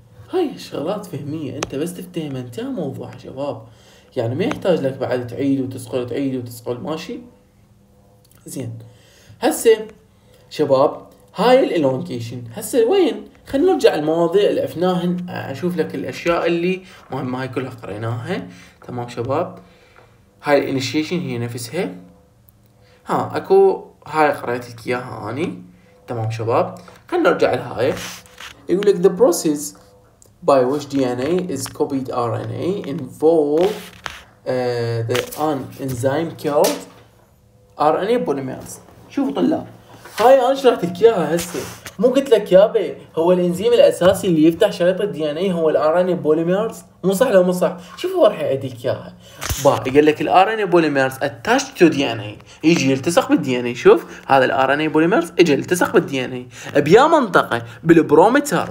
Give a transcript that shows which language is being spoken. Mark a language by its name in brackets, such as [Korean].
[Arabic] هاي شغلات فهميه انت بس تفتهم، انت موضوع شباب يعني ما يحتاج لك بعد تعيد وتسقل تعيد وتسقل، ماشي؟ زين هسه شباب هاي الالونجيشن هسه وين؟ خلنا نرجع المواضيع اللي عرفناهن، اشوف لك الاشياء اللي مهمه هاي كلها قريناها. تمام شباب، هاي الانيشيشن هي نفسها، ها اكو هاي قريت لك اياها اني. تمام شباب، خلنا نرجع لهاي. يقول لك [English] the process by which DNA is copied RNA involve the an enzyme called RNA polymerase. [Arabic] شوفوا طلاب هاي انا شرحت لك اياها هسه، مو قلت لك يابي هو الانزيم الاساسي اللي يفتح شريط الدي ان اي هو الار ان اي بوليميرز؟ مو صح لو مو صح؟ شوف هو راح يعطيك اياها. يقول لك الار ان اي بوليميرز اتاش تو دي ان اي، يجي يلتصق بالدي ان اي. شوف هذا الار ان اي بوليميرز اجى التصق بالدي ان اي بيا منطقه بالبرومتر.